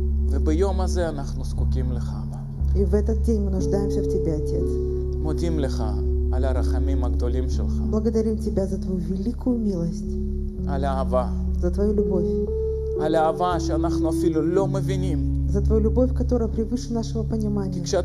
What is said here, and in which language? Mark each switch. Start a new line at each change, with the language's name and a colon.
Hebrew: וביום הזה אנחנו זקוקים לך.
Russian: И в этот день мы нуждаемся в тебе, Отец.
Hebrew: מודים לך על הרחמים הגדולים שלך.
Russian: Благодарим тебя за твою великую милость.
Hebrew: על האהבה.
Russian: За твою любовь. За твою любовь, которая превыше нашего понимания.